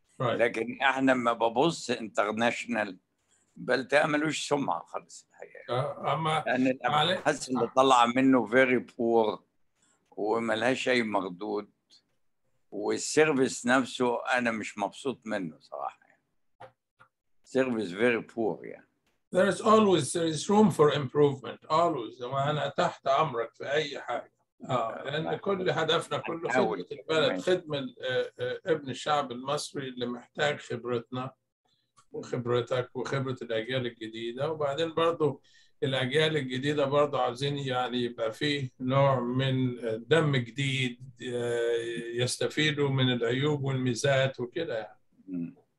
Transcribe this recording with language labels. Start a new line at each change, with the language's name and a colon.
Arabic: لكن احنا ما ببص انترناشنال، بل تعملوش سمعة خالص الحقيقة. الأبحاث اللي طلع منه
English: very poor
Arabic: وملهاش أي مردود، والسيرفيس نفسه أنا مش مبسوط منه صراحة. سيرفيس
English: very poor
Arabic: يعني.
English: There is room for improvement always،
Arabic: وأنا تحت أمرك في أي حاجة. لأن كل هدفنا كله خدمة البلد، خدمة ابن الشعب المصري اللي محتاج خبرتنا وخبرتك وخبرة الأجيال الجديدة. وبعدين برضو الأجيال الجديدة برضو عاوزين يعني يبقى فيه نوع من دم جديد يستفيدوا من العيوب والميزات وكده يعني.